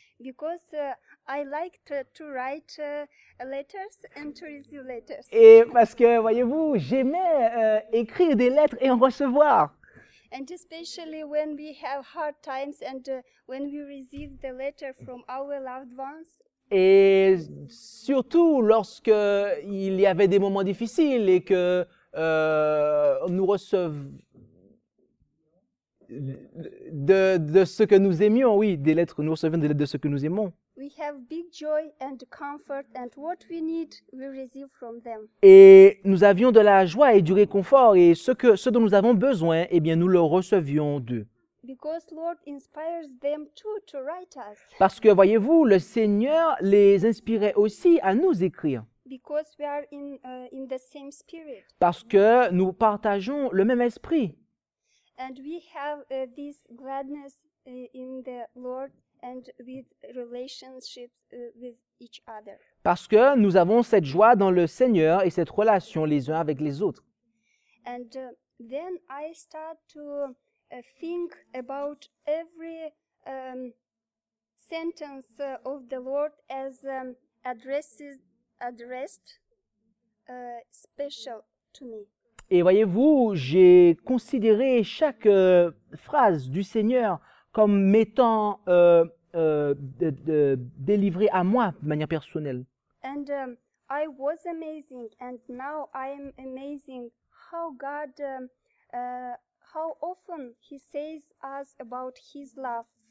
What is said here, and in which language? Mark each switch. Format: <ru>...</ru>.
<en>Because I liked to write letters and to receive letters.</en> <fr>Et parce que voyez-vous, j'aimais écrire des lettres et en recevoir.</fr> <en>And especially when we have hard times and when we receive the letter from our loved ones.</en> <fr>Et surtout lorsque il y avait des moments difficiles et que nous recevions de ce que nous aimions, oui, des lettres, nous recevions des lettres de ce que nous aimons.</fr> <en>We have big joy and comfort, and what we need, we receive from them.</en> <fr>Et nous avions de la joie et du réconfort, et ce dont nous avons besoin, eh bien, nous le recevions d'eux.</fr> <en>Because Lord inspires them too to write us.</en> <fr>Parce que voyez-vous, le Seigneur les inspirait aussi à nous écrire.</fr> <en>Because we are in the same spirit.</en> <fr>Parce que nous partageons le même esprit.</fr> <en>And we have this gladness in the Lord and with relationships with each other.</en> <fr>Parce que nous avons cette joie dans le Seigneur et cette relation les uns avec les autres.</fr> <en>And then I start to think about every sentence of the Lord as addressed special to me.</en> <fr>Et voyez-vous, j'ai considéré chaque phrase du Seigneur comme m'étant délivrée à moi de manière personnelle.</fr> <en>And I was amazing, and now I am amazing how God how often he says us about his love.</en>